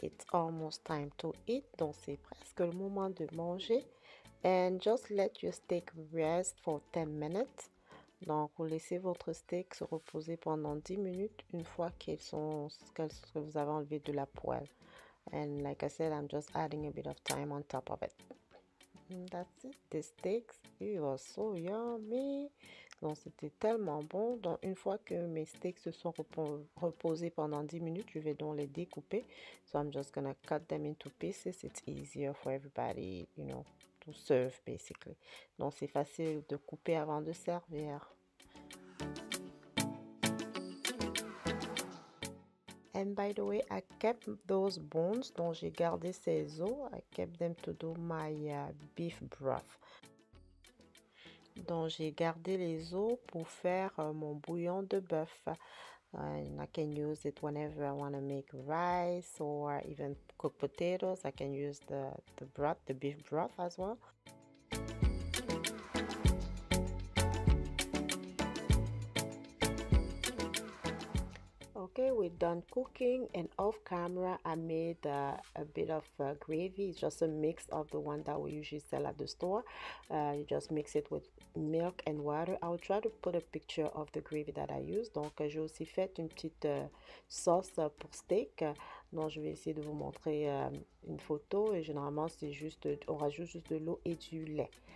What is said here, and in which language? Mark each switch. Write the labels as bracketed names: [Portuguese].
[English] Almost time to eat, [French] donc c'est presque le moment de manger. [English] And just let your steak rest for 10 minutes. [French] Donc vous laissez votre steak se reposer pendant 10 minutes une fois qu'ils sont ce que vous avez enlevé de la poêle. [English] And like I said, I'm just adding a bit of thyme on top of it. And that's it, the steaks, it was so yummy. [French] Donc c'était tellement bon. Donc une fois que mes steaks se sont reposés pendant 10 minutes, je vais donc les découper. [English] So I'm just gonna cut them into pieces. It's easier for everybody, you know, to serve basically. [French] Donc c'est facile de couper avant de servir. [English] And by the way, I kept those bones, [French] donc j'ai gardé ces os. [English] I kept them to do my beef broth. [French] Donc j'ai gardé les os pour faire mon bouillon de bœuf. [English] I can use it whenever I want to make rice or even cook potatoes. I can use the broth, the beef broth as well. Okay, we're done cooking, and off camera I made a bit of gravy. It's just a mix of the one that we usually sell at the store. You just mix it with milk and water. I'll try to put a picture of the gravy that I use. [French] Donc j'ai aussi fait une petite sauce pour steak. Donc je vais essayer de vous montrer une photo, et généralement c'est juste, on rajoute juste de l'eau et du lait.